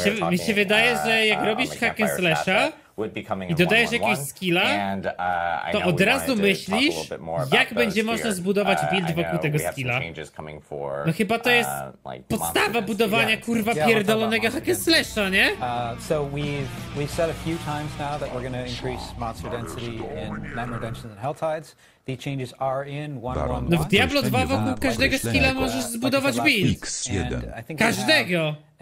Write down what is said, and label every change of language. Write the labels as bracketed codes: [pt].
[pl] Mi się wydaje, że jak robisz hack and slasha, i dodajesz jakiegoś skilla, to od razu myślisz, jak będzie można zbudować build wokół tego skilla. No chyba to jest podstawa budowania kurwa pierdolonego hack and slasha, nie? [en] So we've said a few times now that we're gonna increase monster density in Nightmare Dungeons and Helltides. The changes are in 1-1-1. [pl] No w Diablo 2 wokół każdego skilla możesz zbudować build. Każdego!